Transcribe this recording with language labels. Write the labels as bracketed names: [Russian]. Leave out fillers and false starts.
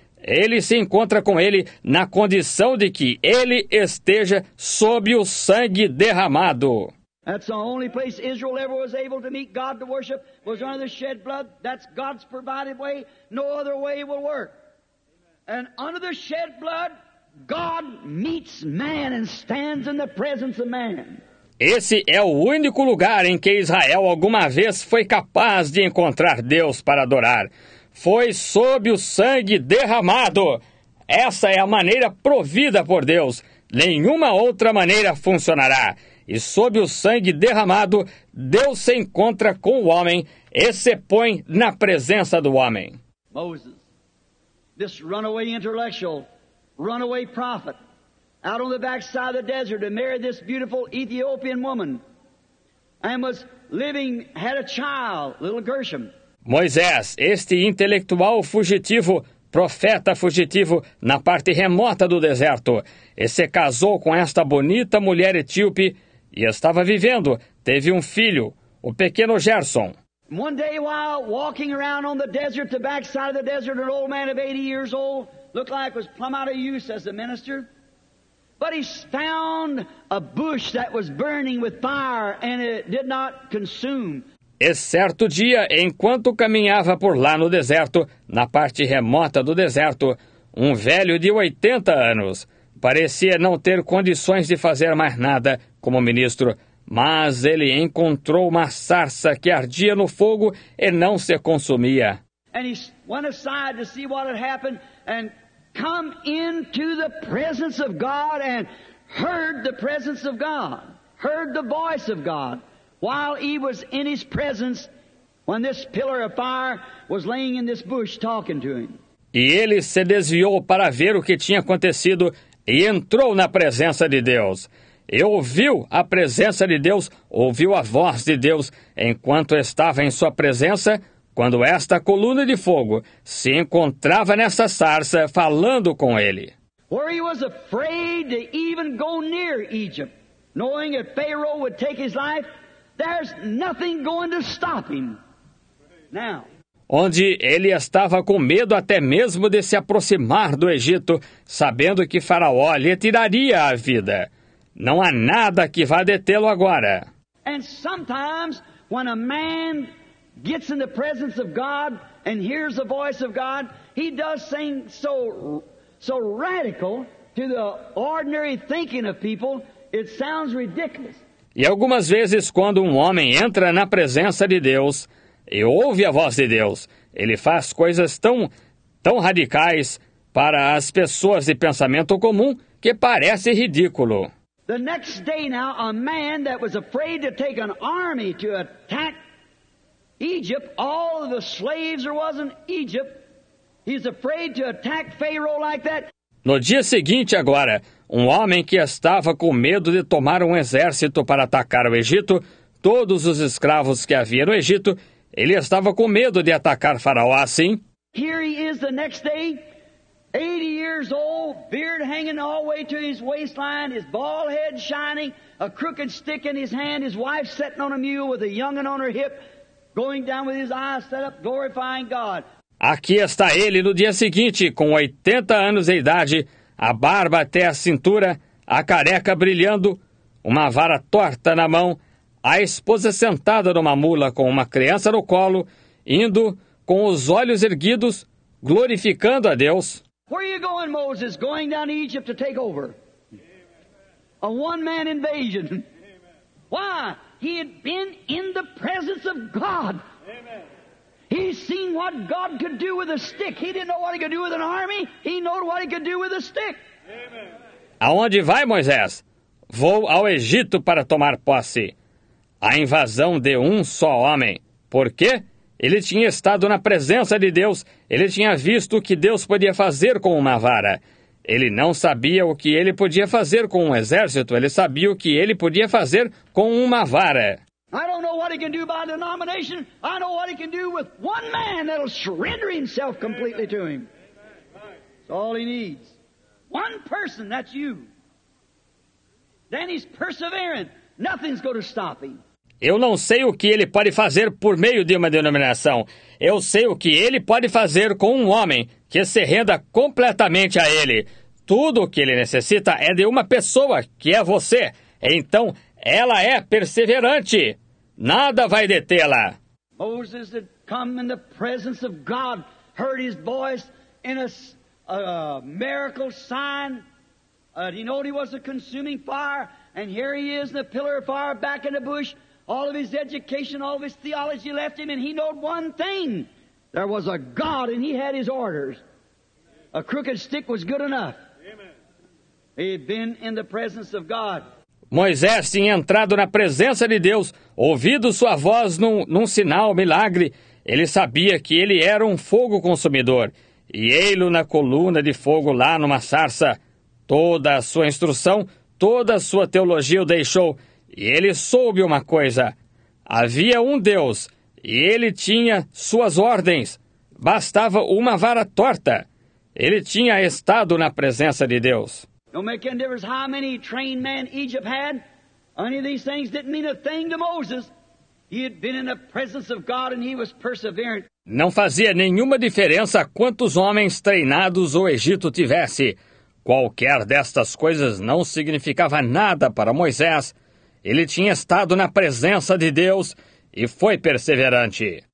[Portuguese] Ele se encontra com ele na condição de que ele esteja sob o sangue derramado. [English] That's the only place Israel ever was able to meet God to worship was under the shed blood. That's God's provided way. No other way will work. And under the shed blood, God meets man and stands in the presence of man. [Portuguese] Esse é o único lugar em que Israel alguma vez foi capaz de encontrar Deus para adorar. Foi sob o sangue derramado. Essa é a maneira provida por Deus. Nenhuma outra maneira funcionará. E sob o sangue derramado, Deus se encontra com o homem e se põe na presença do homem. [English] Moses, this runaway intellectual, runaway prophet, out on the backside of the desert and married this beautiful Ethiopian woman and was living, had a child, little Gershom. [Portuguese] Moisés, este intelectual fugitivo, profeta fugitivo na parte remota do deserto, e se casou com esta bonita mulher etíope. E estava vivendo, teve um filho, o pequeno Gerson. [English] One day while walking around on the desert, the backside of the desert, an old man of 80 years old, looked like was plumb out of use as a minister. But he found a bush that was burning with fire and it did not consume. [Portuguese] E certo dia, enquanto caminhava por lá no deserto, na parte remota do deserto, um velho de 80 anos parecia não ter condições de fazer mais nada como ministro, mas ele encontrou uma sarça que ardia no fogo e não se consumia. [English] And he went aside to see what had happened and come into the presence of God and heard the presence of God, heard the voice of God while he was in his presence when this pillar of fire was laying in this bush talking to him. [Portuguese] E ele se desviou para ver o que tinha acontecido e entrou na presença de Deus. E ouviu a presença de Deus, ouviu a voz de Deus, enquanto estava em sua presença, quando esta coluna de fogo se encontrava nessa sarça, falando com ele. [English] Where he was afraid to even go near Egypt, knowing that Pharaoh would take his life, there's nothing going to stop him. Now. [Portuguese] Onde ele estava com medo até mesmo de se aproximar do Egito, sabendo que Faraó lhe tiraria a vida. Não há nada que vá detê-lo agora. [English] And sometimes when a man gets in the presence of God and hears the voice of God, he does things so radical to the ordinary thinking of people, it sounds ridiculous. [Portuguese] E algumas vezes quando um homem entra na presença de Deus e ouve a voz de Deus, ele faz coisas tão radicais para as pessoas de pensamento comum que parece ridículo. [English] The next day now, a man that was afraid to take an army to attack Egypt, all of the slaves there was in Egypt, he's afraid to attack Pharaoh like that. [Portuguese] No dia seguinte agora, um homem que estava com medo de tomar um exército para atacar o Egito, todos os escravos que havia no Egito, ele estava com medo de atacar Faraó assim. [English] Here he is the next day, 80 years old, beard hanging all the way to his waistline, his bald head shining, a crooked stick in his hand, his wife sitting on a mule with a young'un on her hip, going down with his eyes set up, glorifying God. [Portuguese] Aqui está ele no dia seguinte, com 80 anos de idade, a barba até a cintura, a careca brilhando, uma vara torta na mão, a esposa sentada numa mula com uma criança no colo, indo com os olhos erguidos, glorificando a Deus. [English] Where are you going, Moses? Going down to Egypt to take over. A one-man invasion. Why? He had been in the presence of God. He's seen what God could do with a stick. He didn't know what he could do with an army. He knew what he could do with a stick. [Portuguese] Aonde vai, Moisés? Vou ao Egito para tomar posse. A invasão de um só homem. Por quê? Ele tinha estado na presença de Deus. Ele tinha visto o que Deus podia fazer com uma vara. Ele não sabia o que ele podia fazer com um exército. Ele sabia o que ele podia fazer com uma vara. [English] I don't know what he can do by denomination. I know what he can do with one man that'll surrender himself completely to him. That's all he needs. One person, that's you. Then he's persevering. Nothing's going to stop him. [Portuguese] Eu não sei o que ele pode fazer por meio de uma denominação. Eu sei o que ele pode fazer com um homem que se renda completamente a ele. Tudo o que ele necessita é de uma pessoa, que é você. Então, ela é perseverante. Nada vai detê-la. [English] Moses had come in the presence of God, heard his voice in a miracle sign. He knew he was a consuming fire, and here he is in the pillar of fire back in the bush. All of his education, all of his theology left him, and he knew one thing. There was a God, and he had his orders. A crooked stick was good enough. He had been in the presence of God. [Portuguese] Moisés tinha entrado na presença de Deus, ouvido sua voz num sinal, milagre. Ele sabia que ele era um fogo consumidor. E ele na coluna de fogo lá numa sarça. Toda a sua instrução, toda a sua teologia o deixou. E ele soube uma coisa. Havia um Deus e ele tinha suas ordens. Bastava uma vara torta. Ele tinha estado na presença de Deus. [English] Don't make any difference how many trained men Egypt had. Any of these things didn't mean a thing to Moses. He had been in the presence of God and he was perseverant. [Portuguese] Não fazia nenhuma diferença quantos homens treinados o Egito tivesse. Qualquer destas coisas não significava nada para Moisés. Ele tinha estado na presença de Deus e foi perseverante.